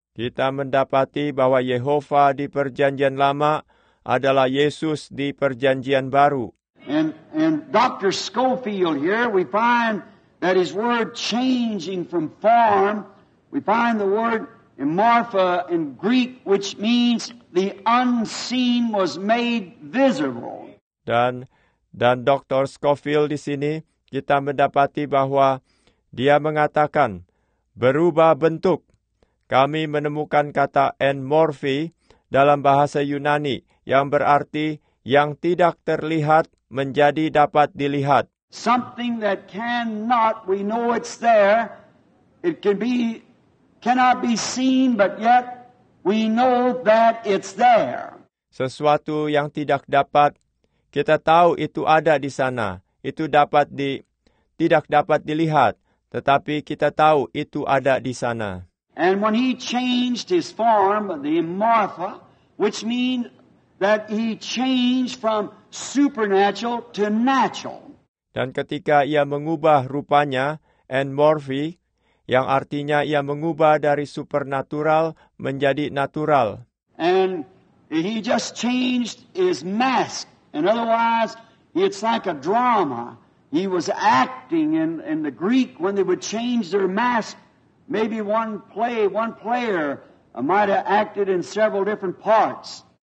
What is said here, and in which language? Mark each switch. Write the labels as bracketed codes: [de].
[id] Kita mendapati bahwa Yehova di Perjanjian Lama adalah Yesus di Perjanjian Baru. [en] In Dr. Schofield here, we find that his word changing from form, we find the word morpha in Greek, which means the unseen was made visible. [id] Dan Dr. Schofield di sini, kita mendapati bahwa dia mengatakan, berubah bentuk. Kami menemukan kata enmorphi dalam bahasa Yunani, yang berarti yang tidak terlihat menjadi dapat dilihat. [en] Something that cannot, we know it's there. It can be, cannot be seen, but yet we know that it's there. [id] Sesuatu yang tidak dapat, kita tahu itu ada di sana. Itu dapat di, tidak dapat dilihat, tetapi kita tahu itu ada di sana. [en] And when he changed his form, the Martha, which means that he changed from supernatural to natural. [id] Dan ketika ia mengubah rupanya, enmorphi, yang artinya ia mengubah dari supernatural menjadi natural. [en] And he just changed his mask. And otherwise, it's like a drama. He was acting in the Greek when they would change their mask. Maybe one player might have acted in several different parts.